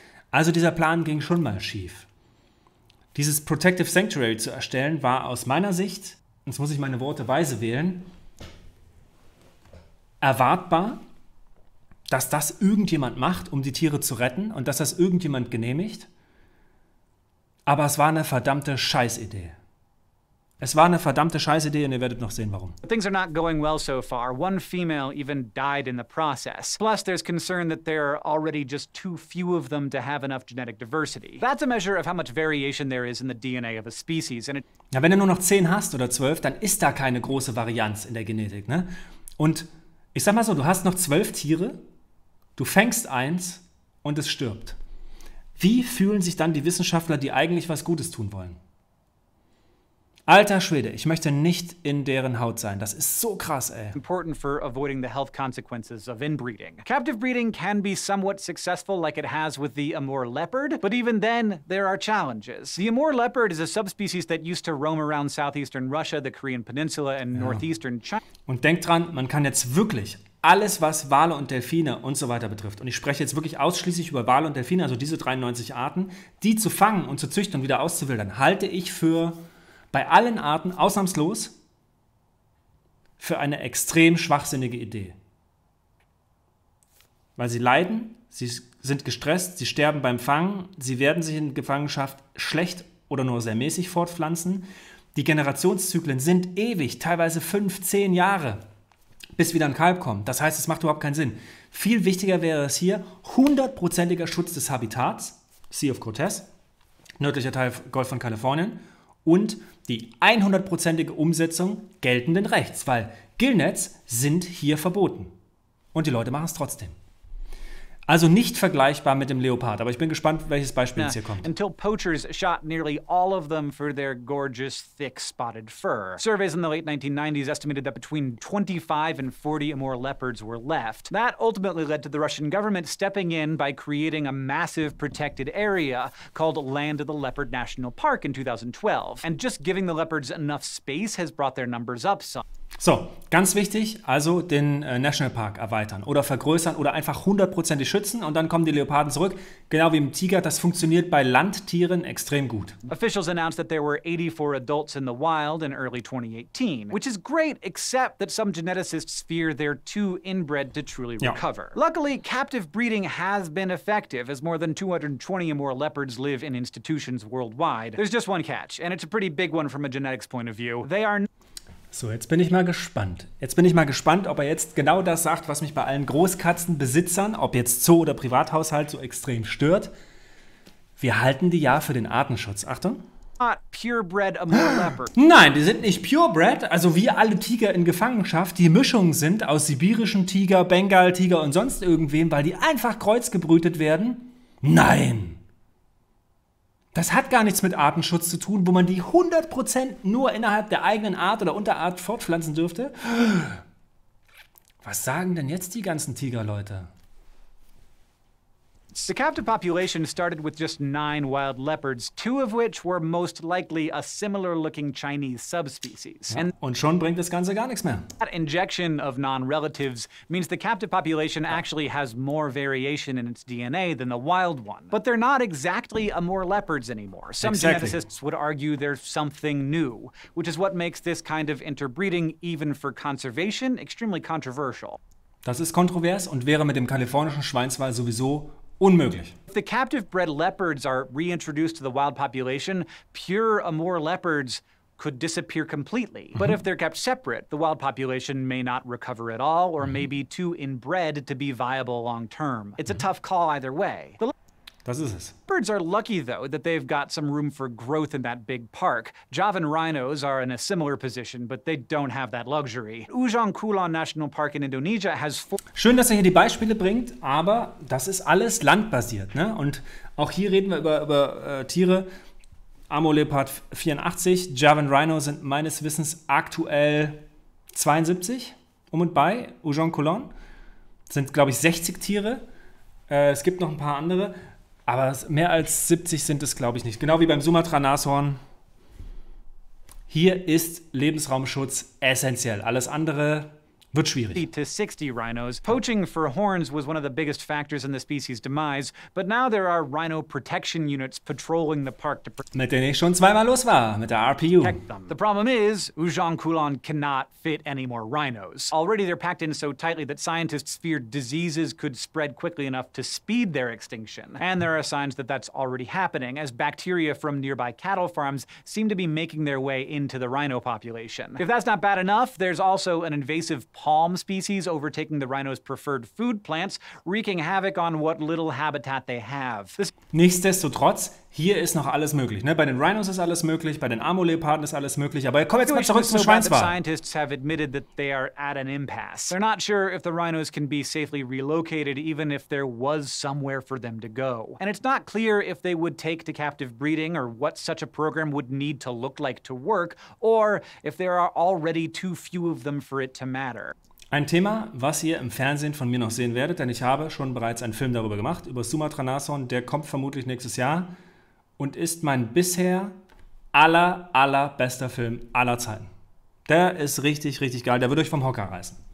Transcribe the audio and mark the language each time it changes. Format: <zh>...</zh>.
<de>Also dieser Plan ging schon mal schief. Dieses Protective Sanctuary zu erstellen war aus meiner Sicht, jetzt muss ich meine Worte weise wählen, erwartbar, dass das irgendjemand macht, um die Tiere zu retten und dass das irgendjemand genehmigt. Aber es war eine verdammte Scheißidee. Es war eine verdammte Scheißidee und ihr werdet noch sehen, warum.</de> <en>Things are not going well so far. One female even died in the process. Plus, there's concern that there are already just too few of them to have enough genetic diversity. That's a measure of how much variation there is in the DNA of a species. And it</en> <de>ja, wenn du nur noch 10 hast oder 12, dann ist da keine große Varianz in der Genetik, ne? Und ich sag mal so, du hast noch 12 Tiere, du fängst eins und es stirbt. Wie fühlen sich dann die Wissenschaftler, die eigentlich was Gutes tun wollen? Alter Schwede, ich möchte nicht in deren Haut sein. Das ist so krass, ey.</de> <en>Important for avoiding the health consequences of inbreeding. Captive breeding can be somewhat successful, like it has with the Amur leopard, but even then, there are challenges. The Amur leopard is a subspecies that used to roam around southeastern Russia, the Korean Peninsula and northeastern China.</en> <de>Und denkt dran, man kann jetzt wirklich alles, was Wale und Delfine und so weiter betrifft, und ich spreche jetzt wirklich ausschließlich über Wale und Delfine, also diese 93 Arten, die zu fangen und zu züchten und wieder auszuwildern, halte ich für bei allen Arten ausnahmslos für eine extrem schwachsinnige Idee. Weil sie leiden, sie sind gestresst, sie sterben beim Fangen, sie werden sich in Gefangenschaft schlecht oder nur sehr mäßig fortpflanzen. Die Generationszyklen sind ewig, teilweise 5-10 Jahre, bis wieder ein Kalb kommt. Das heißt, es macht überhaupt keinen Sinn. Viel wichtiger wäre es hier, 100%iger Schutz des Habitats, Sea of Cortez, nördlicher Teil Golf von Kalifornien, und die 100%ige Umsetzung geltenden Rechts, weil Gillnets sind hier verboten. Und die Leute machen es trotzdem. Also nicht vergleichbar mit dem Leopard, aber ich bin gespannt, welches Beispiel jetzt hier kommt.</de> <en>Until poachers shot nearly all of them for their gorgeous, thick, spotted fur. Surveys in the late 1990s estimated that between 25 and 40 Amur leopards were left. That ultimately led to the Russian government stepping in by creating a massive protected area called Land of the Leopard National Park in 2012. And just giving the leopards enough space has brought their numbers up some.</en> <de>So, ganz wichtig, also den Nationalpark erweitern oder vergrößern oder einfach 100%ig schützen und dann kommen die Leoparden zurück. Genau wie im Tiger, das funktioniert bei Landtieren extrem gut.</de> <en>Officials announced that there were 84 adults in the wild in early 2018, which is great, except that some geneticists fear they're too inbred to truly recover. Ja. Luckily, captive breeding has been effective, as more than 220 or more leopards live in institutions worldwide. There's just one catch, and it's a pretty big one from a genetics point of view. They are</en> <de>So, jetzt bin ich mal gespannt. Jetzt bin ich mal gespannt, ob er jetzt genau das sagt, was mich bei allen Großkatzenbesitzern, ob jetzt Zoo oder Privathaushalt, so extrem stört. Wir halten die ja für den Artenschutz. Achtung.</de> <en>Not purebred Amur leopard.</en> <de>Nein, die sind nicht purebred. Also wie alle Tiger in Gefangenschaft, die Mischungen sind aus sibirischen Tiger, Bengal-Tiger und sonst irgendwem, weil die einfach kreuzgebrütet werden. Nein. Das hat gar nichts mit Artenschutz zu tun, wo man die 100% nur innerhalb der eigenen Art oder Unterart fortpflanzen dürfte. Was sagen denn jetzt die ganzen Tigerleute?</de> <en>leopards. The captive population started with just 9 wild leopards, 2 of which were most likely a similar-looking Chinese subspecies.</en> <de>Ja. Und schon bringt das Ganze gar nichts mehr.</de> <en>That injection of non-relatives means the captive population actually has more variation in its DNA than the wild one. But they're not exactly a more leopards anymore. Some geneticists would argue there's something new, which is what makes this kind of interbreeding, even for conservation, extremely controversial.</en> <de>Das ist kontrovers und wäre mit dem kalifornischen Schweinswal sowieso unmöglich.</de> <en>If the captive-bred leopards are reintroduced to the wild population, pure Amur leopards could disappear completely. Mhm. But if they're kept separate, the wild population may not recover at all or may be too inbred to be viable long-term. It's a tough call either way.</en> <de>Das ist es.</de> <en>Birds are lucky, though, that they've got some room for growth in that big park. Javan rhinos are in a similar position, but they don't have that luxury. Ujung Kulon National Park in Indonesia has 4...</en> <de>Schön, dass er hier die Beispiele bringt, aber das ist alles landbasiert, ne? Und auch hier reden wir über Tiere. Amur Leopard 84, Javan Rhino sind meines Wissens aktuell 72. Um und bei Ujung Kulon sind, glaube ich, 60 Tiere. Es gibt noch ein paar andere. Aber mehr als 70 sind es, glaube ich, nicht. Genau wie beim Sumatra-Nashorn. Hier ist Lebensraumschutz essentiell. Alles andere wird schwierig.</de> <en>50 to 60 rhinos. Poaching for horns was one of the biggest factors in the species' demise. But now there are rhino protection units patrolling the park to...</en> <de>Mit denen ich schon zweimal los war, mit der RPU.</de> <en>The problem is, Ujung Kulon cannot fit any more rhinos. Already they're packed in so tightly that scientists feared diseases could spread quickly enough to speed their extinction. And there are signs that that's already happening, as bacteria from nearby cattle farms seem to be making their way into the rhino population. If that's not bad enough, there's also an invasive palm species overtaking the rhino's preferred food plants, wreaking havoc on what little habitat they have.</en> <de>Nichtsdestotrotz, hier ist noch alles möglich. Ne? Bei den Rhinos ist alles möglich, bei den Amur-Leoparden ist alles möglich, aber komm jetzt mal zurück zum Schweinswal.</de> <en>Scientists have admitted that they are at an impasse. They're not sure if the rhinos can be safely relocated, even if there was somewhere for them to go. And it's not clear if they would take to captive breeding or what such a program would need to look like to work, or if there are already too few of them for it to matter.</en> <de>Ein Thema, was ihr im Fernsehen von mir noch sehen werdet, denn ich habe schon bereits einen Film darüber gemacht, über Sumatra-Nashorn, der kommt vermutlich nächstes Jahr und ist mein bisher allerbester Film aller Zeiten. Der ist richtig, richtig geil, der wird euch vom Hocker reißen.</de>